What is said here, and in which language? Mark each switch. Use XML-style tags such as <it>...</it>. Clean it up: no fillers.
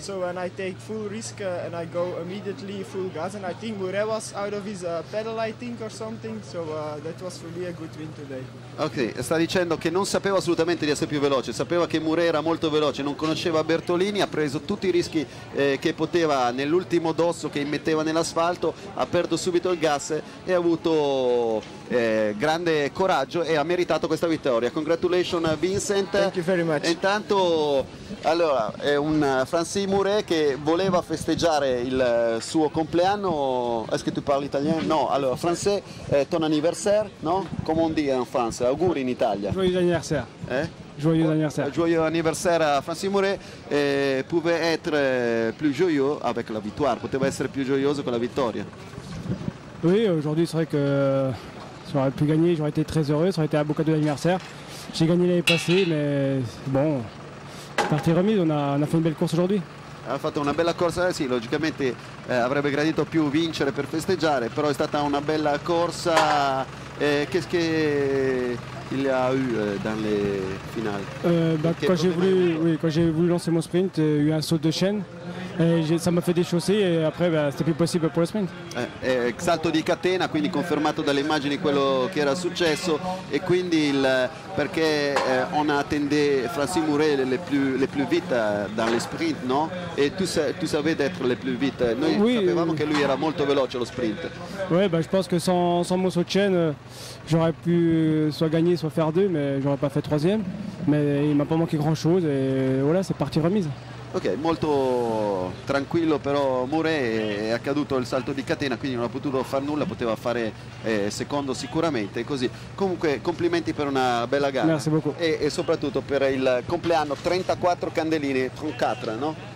<en>So when I take full risk and I go immediately full gas, and I think Mouret was out of his pedal, I think, or something, so that was really a good win today.</en> <it>Ok, sta dicendo che non sapeva assolutamente di essere più veloce, sapeva che Mouret era molto veloce, non conosceva Bertolini, ha preso tutti i rischi che poteva nell'ultimo dosso che metteva nell'asfalto, ha aperto subito il gas e ha avuto grande coraggio e ha meritato questa vittoria.</it> <en>Congratulations Vincent. Thank you very much.</en> <it>Intanto, allora, è un Francis Mouret che voleva festeggiare il suo compleanno.</it> <fr>Est-ce que tu parles italien?</fr> <it>No, allora,</it> <fr>français, ton anniversaire, no? Comment dire en France?</fr> <it>Auguri in Italia.</it> <fr>Joyeux anniversaire. Joyeux anniversaire. Joyeux anniversaire à Francis Mouret. Pouvait être plus joyeux avec la victoire.</fr> <it>Poteva essere più gioioso con la vittoria.</it> <fr>Oui, aujourd'hui, c'est vrai que si j'aurais pu gagner, j'aurais été très heureux. Ça aurait été un beau cadeau d'anniversaire. J'ai gagné l'année passée, mais bon, partie remise, on a fait une belle course aujourd'hui.</fr> <it>Ha fatto una bella corsa, sì, logicamente avrebbe gradito più vincere per festeggiare, però è stata una bella corsa.</it> <fr>Qu'est-ce que il a eu dans les finales? Quand j'ai voulu lancer mon sprint, il y a eu un saut de chaîne. Ça m'a fait déchausser et après c'était plus possible pour le sprint.</fr> <it>Salto di catena, quindi confermato dalle immagini quello che era successo, e quindi perché</it> <fr>on attendait Francis Mouret le plus vite dans le sprint, no?</fr> <it>E</it> <fr>tu savais d'être le plus vite.</fr> <it>Noi sapevamo che lui era molto veloce allo sprint.</it> <fr>Oui, je pense que sans mon saut de chaîne, j'aurais pu soit gagner, soit faire deux, mais j'aurais pas fait troisième. Mais il m'a pas manqué grand chose et voilà, c'est parti remise.</fr> <it>Ok, molto tranquillo però Mouret, è accaduto il salto di catena, quindi non ha potuto fare nulla, poteva fare secondo sicuramente, così. Comunque complimenti per una bella gara. Grazie beaucoup. E soprattutto per il compleanno, 34 candeline, 34, no?</it>